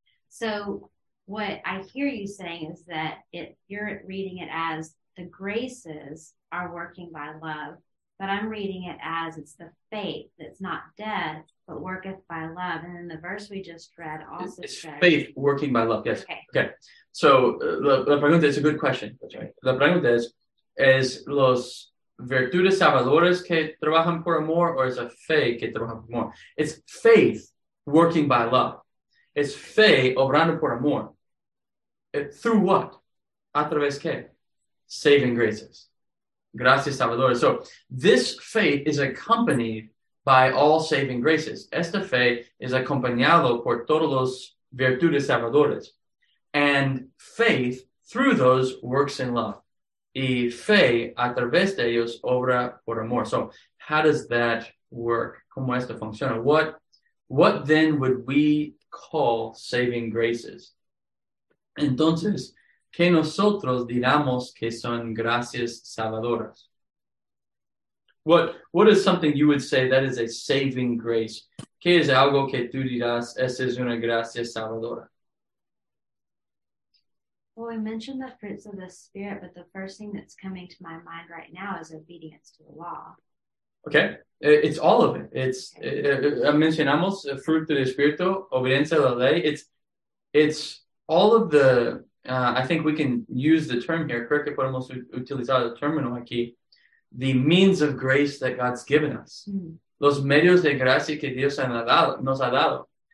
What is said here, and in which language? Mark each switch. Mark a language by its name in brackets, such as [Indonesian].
[English] So what I hear you saying is that you're reading it as the graces are working by love, but I'm reading it as it's the faith that's not dead, but worketh by love. And then the verse we just read also it's says faith working by love. Yes. Okay. So [Spanish] la pregunta [English] is a good question. [Spanish] La pregunta es los virtudes salvadoras que trabajan por amor, or is a fe que trabaja por amor? [English] It's faith working by love. It's [Spanish] fe obrando por amor. [English] Through what? [Spanish] A través que? [English] Saving graces. [Spanish] Gracias, Salvador. [English] So this faith is accompanied by all saving graces. [Spanish] Esta fe is acompañado por todos los virtudes salvadoras. [English] And faith through those works in love. [Spanish] Y fe a través de ellos obra por amor. [English] So how does that work? [Spanish] ¿Cómo esto funciona? [English] What then would we call saving graces? [Spanish] Entonces, que nosotros diramos que son gracias salvadoras. [English] What is something you would say that is a saving grace? [Spanish] ¿Qué es algo que tú dirás, esa es una gracia salvadora? [English] Well, we mentioned the fruits of the Spirit, but the first thing that's coming to my mind right now is obedience to the law. Okay, it's all of it. It's okay. [Spanish] Mencionamos el fruto del Espíritu, obediencia a la ley. [English] It's all of the... I think we can use the term here, [Spanish] creo que podemos utilizar el término aquí, [English] the means of grace that God's given us. Mm-hmm. [Spanish] Los medios de gracia que Dios nos ha dado.